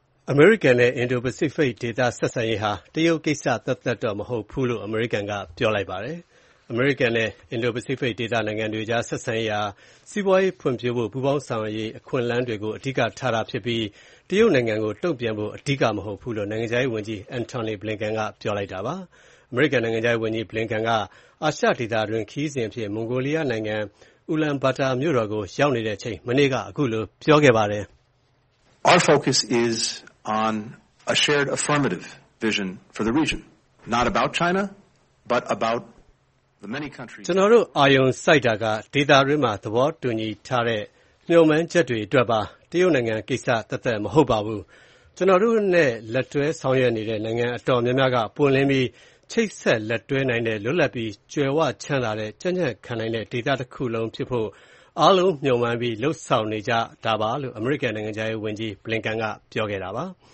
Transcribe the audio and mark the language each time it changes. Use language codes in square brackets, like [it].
[my] အမေရိကန်နဲ့အင်ဒိုပစိဖိတ်ဒေသဆက်ဆံရေးဟာတရုတ်ကိစ္စသက်သက်တော့မဟုတ်ဘူးလို့အမေရိကန်ကပြောလိုက်ပါတယ်အမေရိကန်နဲ့အင်ဒိုပစိဖိတ်ဒေသနိုင်ငံတွေကြားဆက်ဆံရေးဟာစီးပွားရေးဖွံ့ဖြိုးဖို့ပူးပေါင်းဆောင်ရွက်ရေးအခွင့်အလမ်းတွေကိုအဓိကထားတာဖြစ်ပြီးတရုတ်နိုင်ငံကိုတုံ့ပြန်ဖို့အဓိကမဟုတ်ဘူးလို့နိုင်ငံခြားရေးဝန်ကြီးအန်တိုနီဘလင်ကန်ကပြောလိုက်တာပါ။အမေရိကန်နိုင်ငံခြားရေးဝန်ကြီးဘလင်ကန်ကအာရှဒေသတွင်ခီးစဉ်ဖြစ်မွန်ဂိုလီးယားနိုင်ငံဦးလန်ဘာတာမြို့တော်ကိုရောက်နေတဲ့အချိန်မနေ့ကအခုလိုပြောခဲ့ပါတယ် [en] ။ Our focus is on a shared affirmative vision for the region, not about China, but about the many countries. [my] ကျွန်တော်တို့အယုံစိုက်တာကဒေတာရင်းမှာသဘောတူညီထားတဲ့ညှို့မှန်းချက်တွေအတွက်ပါတရုတ်နိုင်ငံကိစ္စသက်သက်မဟုတ်ပါဘူးကျွန်တော်တို့နဲ့လက်တွဲဆောင်ရွက်နေတဲ့နိုင်ငံအတော်များများကပွင့်လင်းပြီးချိတ်ဆက်လက်တွဲနိုင်တဲ့လွတ်လပ်ပြီးကျွယ်ဝချမ်းသာတဲ့ကျန်းကျန်းခံနိုင်တဲ့ဒေတာတစ်ခုလုံးဖြစ်ဖို့အားလုံးညှို့မှန်းပြီးလှုပ်ဆောင်နေကြဒါပါလို့အမေရိကန်နိုင်ငံရဲ့ဝန်ကြီးဘလင်ကန်ကပြောခဲ့တာပါ